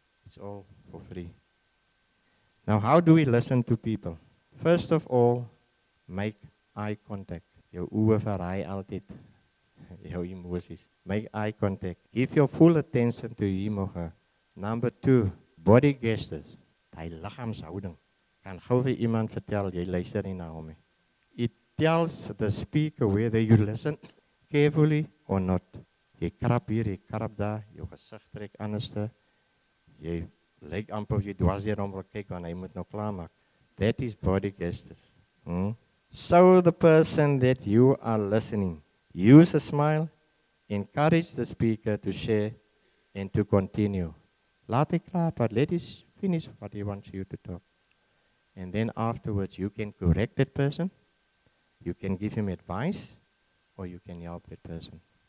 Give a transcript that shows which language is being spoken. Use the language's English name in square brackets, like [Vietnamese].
[English] It's all for free. Now, how do we listen to people? First of all, make eye contact. [Afrikaans] Jou oë verraai altyd. Jou emosies. [English] Make eye contact. Give your full attention to him or her. Number two, body gestures. [Afrikaans] Die liggaamshouding. Kan gou vir iemand vertel, jy luister nie na hom nie. [English] It tells the speaker whether you listen carefully or not. [Afrikaans] Jy krap hier, jy krap daar, jou gesig trek anders. Jy lyk amper of jy dwars hier om wil kyk, want hy moet nou klaarmaak. [English] That is body gestures. So the person that you are listening, use a smile, encourage the speaker to share and to continue. [Afrikaans] Laat hy klaar, [English] but let us finish what he wants you to talk. And then afterwards, you can correct that person, you can give him advice, or you can help that person.